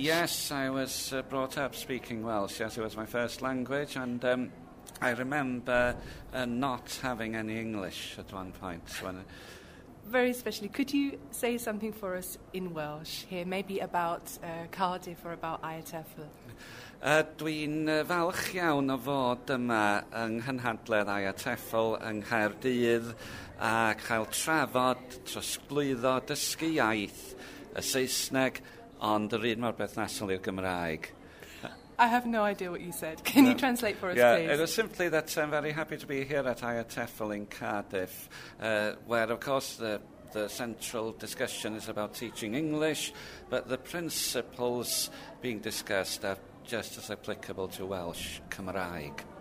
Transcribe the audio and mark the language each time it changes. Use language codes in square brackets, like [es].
[en] Yes, I was brought up speaking Welsh. Yes, it was my first language, and I remember not having any English at one point. Very especially, could you say something for us in Welsh here, maybe about Cardiff or about IATEFL? [cy] Dwi'n falch iawn o fod yma yng Nghynhadledd IATEFL yng Nghaerdydd a cael trafod trosglwyddo dysgu iaith y Saesneg, ond yr un mor berthnasol i'r Gymraeg. [en] I have no idea what you said. Can you translate for us, please? Yeah, it was simply that I'm very happy to be here at IATEFL in Cardiff, where, of course, the central discussion is about teaching English, but the principles being discussed are just as applicable to Welsh Cymraeg.